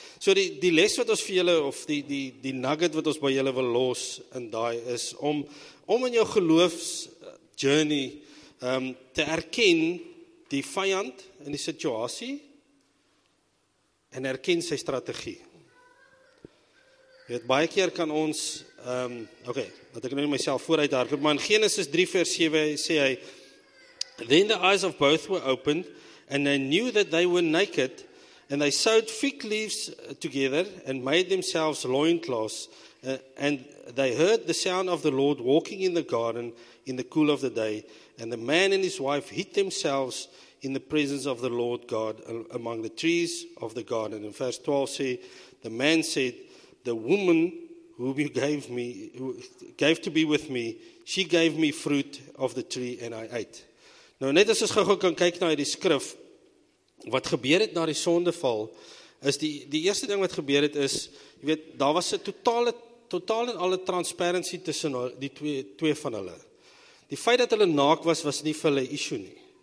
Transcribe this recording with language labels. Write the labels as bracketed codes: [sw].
[af] So die les wat ons vir julle, of die nugget wat ons by julle wil los in daai is, om in jou geloofs journey te erken die vyand in die situasie en erken sy strategie. Jy weet, baie keer kan ons, dat ek nou myself vooruit daar, maar in Genesis 3 vers 7 sê hy, [en] then the eyes of both were opened, and they knew that they were naked, and they sewed fig leaves together, and made themselves loincloths, and they heard the sound of the Lord walking in the garden in the cool of the day, and the man and his wife hid themselves in the presence of the Lord God among the trees of the garden. In verse 12 say, the man said, the woman whom you gave to be with me, she gave me fruit of the tree and I ate. [af] Nou net as ons gou-gou kan kyk na die skrif, wat gebeur het na die sondeval, is die eerste ding wat gebeur het is, jy weet, daar was 'n totaal en alle transparantie tussen die twee van hulle. Die feit dat hulle naak was nie vir hulle issue nie.